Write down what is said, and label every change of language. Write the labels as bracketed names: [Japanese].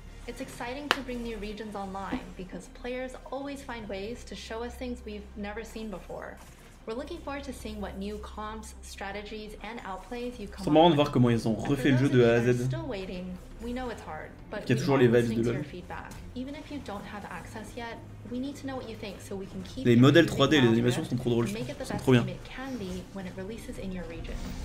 [English] It's exciting to bring new regions online because players always find ways to show us things we've never seen before. We're looking forward to seeing what new comps, strategies, and outplays you come up with. [French] C'est marrant de voir comment ils ont refait le jeu de A à Z. [English] Still waiting. We know it's hard, but we're always listening to your feedback. Even if you don't have access yet, we need to know what you think so we can keep. [French] Les modèles 3D, les animations sont trop drôles. [English] Make it the best game it can be when it releases in your region.